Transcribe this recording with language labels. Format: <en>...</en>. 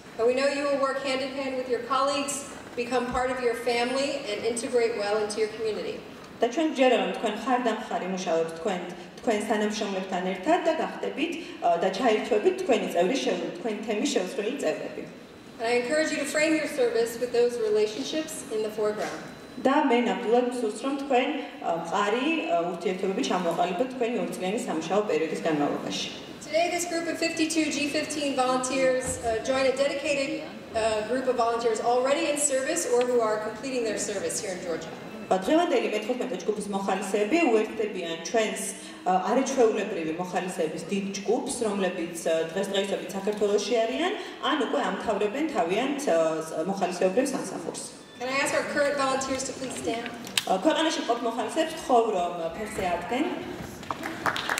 <en>We know you will work hand in hand with your colleagues, become part of your family and integrate well into your community.</en> <ka>და ჩვენ გჯერებით თქვენ ხარდამხარი მუშაობთ თქვენ თანამშრომლებთან ერთად და გახდებით და ჩაირთვებით თქვენი წევრის თქვენ თემის შევსრული წევრები.</ka> <en>I encourage you to frame your service with those relationships in the foreground.</en> <ka>და მე ნამდვილად ვსურს რომ თქვენ მყარი ურთიერთობები ჩამოყალიბოთ თქვენი ორწლიანი სამუშაო პერიოდის განმავლობაში.</ka> <en>Today this group of 52 G15 volunteers join a dedicated group of volunteers already in service or who are completing their service here in Georgia.</en> <ka>დღევანდელი მე-15 ჯგუფის მოხალისეები უერთდებიან ჩვენს არაჩვეულებრივი მოხალისეების დიდ ჯგუფს, რომლებიც დღესდღეობით საქართველოში არიან, ან უკვე ამთავრებენ თავიანთ მოხალისეობრივ სამსახურს.</ka> <en>Can I ask our current volunteers to please stand?</en> <ka>ქვეყანაში მყოფ მოხალისეებს ხოვ რომ ფეხზე ადგნენ.</ka>